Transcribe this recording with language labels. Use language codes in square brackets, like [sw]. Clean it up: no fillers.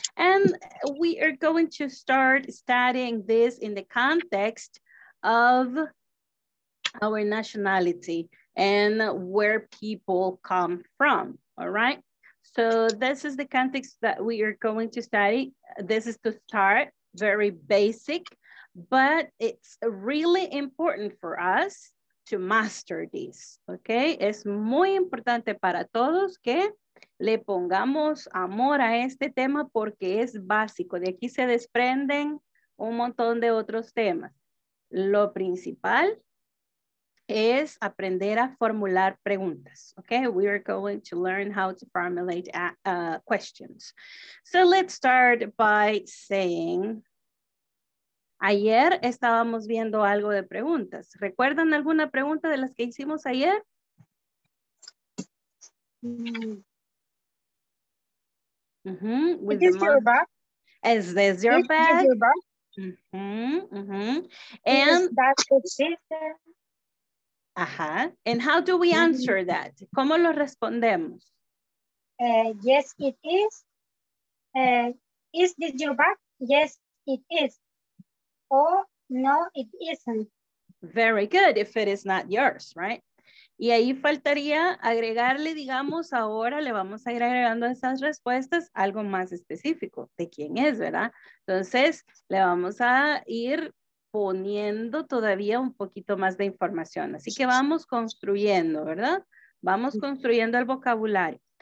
[en] And we are going to start studying this in the context of our nationality and where people come from, all right? So this is the context that we are going to study. This is to start very basic, but it's really important for us to master this, okay? [es] Es muy importante para todos que le pongamos amor a este tema porque es básico. De aquí se desprenden un montón de otros temas. Lo principal es aprender a formular preguntas, okay? [en] We are going to learn how to formulate questions. So let's start by saying, [es] ayer estábamos viendo algo de preguntas. ¿Recuerdan alguna pregunta de las que hicimos ayer? [en] Is this your bag? Is this your bag? And how do we answer that? [es] ¿Cómo lo respondemos? [en] Yes, it is. Is this your bag? Yes, it is. Oh, no, it isn't. Very good, if it is not yours, right? [es] Y ahí faltaría agregarle, digamos, ahora le vamos a ir agregando esas respuestas algo más específico de quién es, ¿verdad? Entonces, le vamos a ir poniendo todavía un poquito más de información. Así que vamos construyendo, ¿verdad? Vamos construyendo el vocabulario.